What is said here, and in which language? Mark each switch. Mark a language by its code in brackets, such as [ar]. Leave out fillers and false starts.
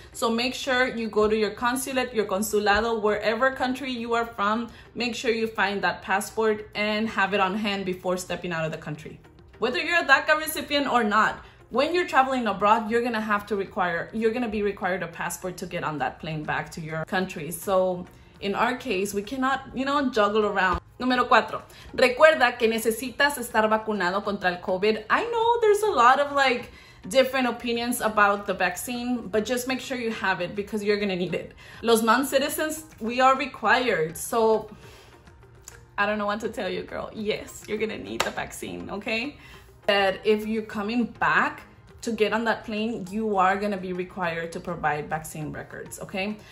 [en] So make sure you go to your consulate, your consulado, wherever country you are from, make sure you find that passport and have it on hand before stepping out of the country. Whether you're a DACA recipient or not, when you're traveling abroad, you're gonna be required a passport to get on that plane back to your country. So in our case, we cannot, you know, juggle around. [es] Número 4. Recuerda que necesitas estar vacunado contra el COVID. [en] I know there's a lot of like different opinions about the vaccine, but just make sure you have it because you're gonna need it. Los non-citizens, we are required. So I don't know what to tell you, girl. Yes, you're gonna need the vaccine, okay? But if you're coming back to get on that plane, you are gonna be required to provide vaccine records, okay?